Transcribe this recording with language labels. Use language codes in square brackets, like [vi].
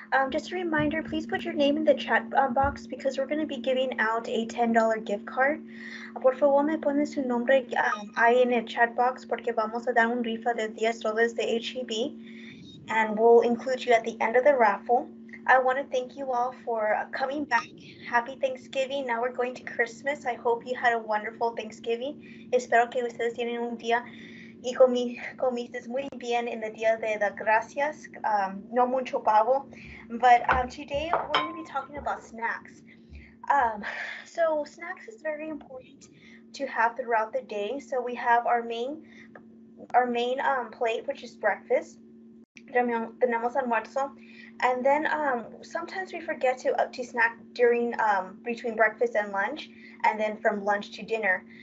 [en] Just a reminder, please put your name in the chat box because we're going to be giving out a $10 gift card. [es] Por favor, me pone su nombre ahí en el chat box porque vamos a dar un rifa de $10 de HEB [en] and we'll include you at the end of the raffle. I want to thank you all for coming back. Happy Thanksgiving. Now we're going to Christmas. I hope you had a wonderful Thanksgiving. [es] Espero que ustedes tienen un día y comiste muy bien en el día de las gracias, no mucho pavo. [en] But today we're going to be talking about snacks. So snacks is very important to have throughout the day. So we have our main plate, which is breakfast. [es] Tenemos almuerzo. [en] And then sometimes we forget to snack during between breakfast and lunch, and then from lunch to dinner.